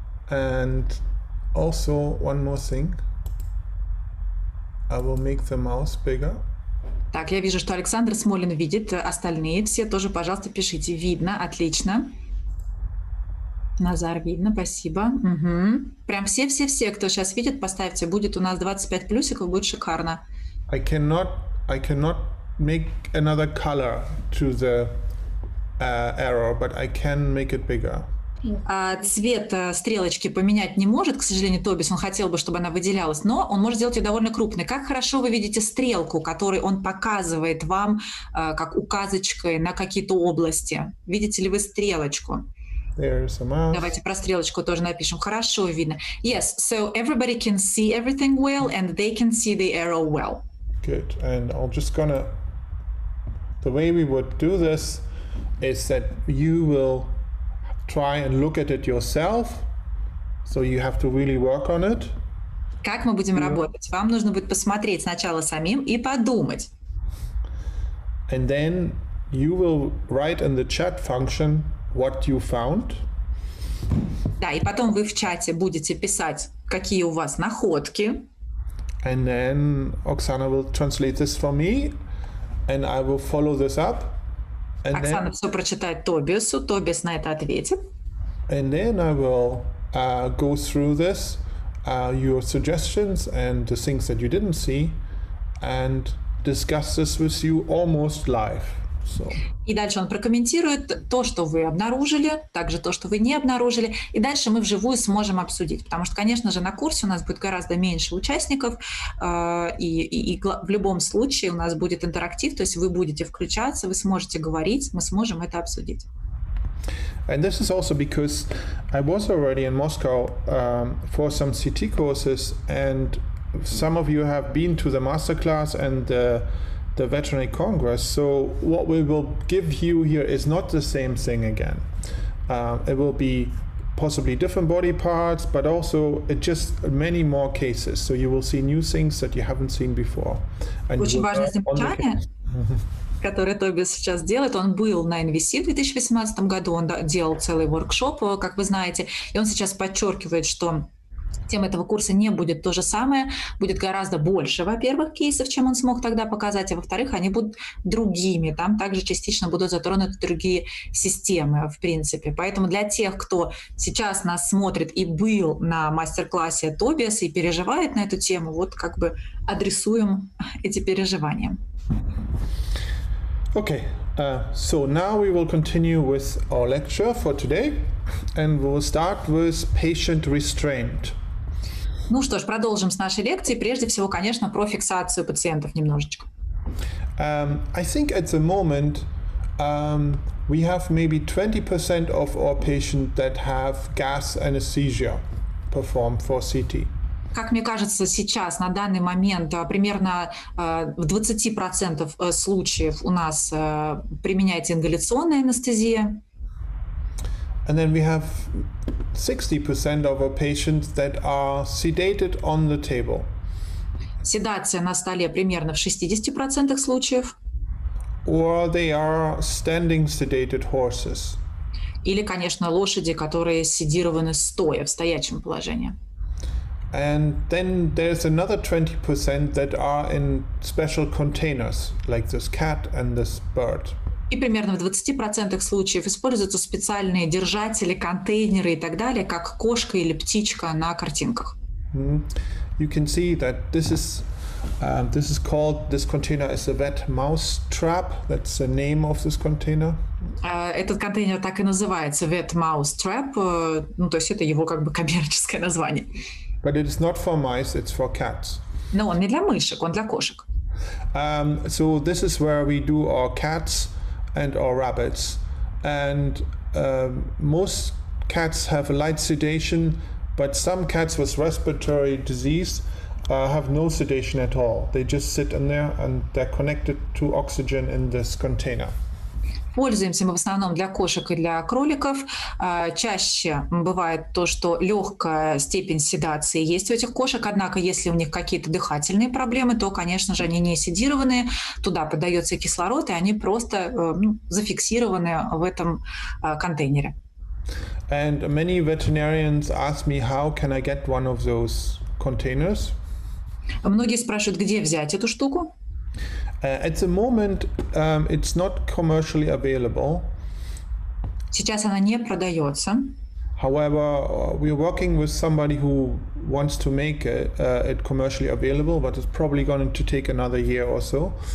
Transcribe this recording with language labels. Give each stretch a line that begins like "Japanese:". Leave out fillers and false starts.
English: And also one more thing. I will make the mouse bigger.
Russian: Так, я вижу, что Александр Смолин видит. Остальные все тоже, пожалуйста, пишите. Видно, отлично. Назар, видно, спасибо. Угу. Прям все-все-все, кто сейчас видит, поставьте. Будет у нас 25 плюсиков, будет шикарно.
English: I cannot make another color to the arrow, but I can make it bigger.
Russian: Цвет стрелочки поменять не может, к сожалению, Тобиас, он хотел бы, чтобы она выделялась, но он может сделать ее довольно крупной. Как хорошо вы видите стрелку, которую он показывает вам как указочкой на какие-то области. Видите ли вы стрелочку?
English: There's a mouse.
Russian: Давайте про стрелочку тоже напишем. Хорошо видно.
English: Yes, so everybody can see everything well and they can see the arrow well. Good, and I'm just gonna... The way we would do this is that you will try and look at it yourself, so you have to really work on it.
Russian: Как мы будем работать? Вам нужно будет посмотреть сначала самим и подумать.
English: And then you will write in the chat function what you found.
Russian: Да, и потом вы в чате будете писать, какие у вас находки.
English: And then Oksana will translate this for me, and I will follow this up. And Oksana then,
Russian: все прочитает Тобиасу, Тобиас на это ответит.
English: And then I will go through this, your suggestions and the things that you didn't see, and discuss this with you almost live. So.
Russian: И дальше он прокомментирует то, что вы обнаружили, также то, что вы не обнаружили, и дальше мы вживую сможем обсудить, потому что, конечно же, на курсе у нас будет гораздо меньше участников, и в любом случае у нас будет интерактив, то есть вы будете включаться, вы сможете говорить, мы сможем это обсудить.
English: And this is also because I was already in Moscow for some CT courses, and some of you have been to the masterclass and the veterinary congress, so what we will give you here is not the same thing again. It will be possibly different body parts, but also it just many more cases, so you will see new things that you haven't seen before.
Russian: And очень важное замечание, которое Тобиас сейчас делает. Он был на NVC в 2018 году, он делал целый воркшоп, как вы знаете, и он сейчас подчеркивает, что тем этого курса не будет то же самое, будет гораздо больше, во-первых, кейсов, чем он смог тогда показать, а во-вторых, они будут другими, там также частично будут затронуты другие системы, в принципе. Поэтому для тех, кто сейчас нас смотрит и был на мастер-классе Тобиаса и переживает на эту тему, вот как бы адресуем эти переживания.
English: Okay, so now we will continue with our lecture for today, and we will start with patient restraint.
Russian: Ну что ж, продолжим с нашей лекции. Прежде всего, конечно, про фиксацию пациентов немножечко.
English: I think at the moment we have maybe 20% of our patients that have gas anesthesia performed for CT.
Russian: Как мне кажется, сейчас, на данный момент, примерно в 20% случаев у нас применяется ингаляционная анестезия.
English: And then we have 60% of our patients that are sedated on the table.
Russian: Седация на столе примерно в 60% случаев.
English: Or they are standing sedated horses.
Russian: Или, конечно, лошади, которые седированы стоя, в стоячем положении.
English: And then there's another 20% that are in special containers, like this cat and this bird.
Russian: И примерно в 20% случаев используются специальные держатели, контейнеры и так далее, как кошка или птичка на картинках. Mm-hmm.
English: You can see that this is called, this container is a wet mouse trap. That's the name of this container.
Russian: Этот контейнер так и называется, wet mouse trap. Ну, то есть это его как бы коммерческое название.
English: But it is not for mice, it's for cats.
Russian: Но он не для мышек, он для кошек.
English: So this is where we do our cats and our rabbits, and most cats have a light sedation, but some cats with respiratory disease have no sedation at all. They just sit in there and they're connected to oxygen in this container.
Russian: Пользуемся мы в основном для кошек и для кроликов. Чаще бывает то, что легкая степень седации есть у этих кошек, однако если у них какие-то дыхательные проблемы, то, конечно же, они не седированные, туда подается кислород, и они просто зафиксированы в этом контейнере.
English: And many veterinarians ask me, how can I get one of those containers?
Russian: Многие спрашивают, где взять эту штуку?
English: At the moment, it's not commercially available.
Russian: Сейчас она не продается.
English: However, we are working with somebody who wants to make it commercially available, but it's probably going to take another year or so.